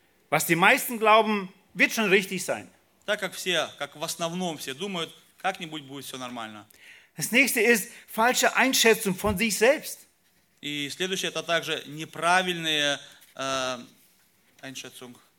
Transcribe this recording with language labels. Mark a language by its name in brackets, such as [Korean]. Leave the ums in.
[German] Was die meisten glauben, wird schon richtig sein. [Russian] Так как все, как в основном все думают, как-нибудь будет все нормально. [German] Das nächste ist falsche Einschätzung von sich selbst. [Russian] И следующее, это также неправильная äh, Einschätzung.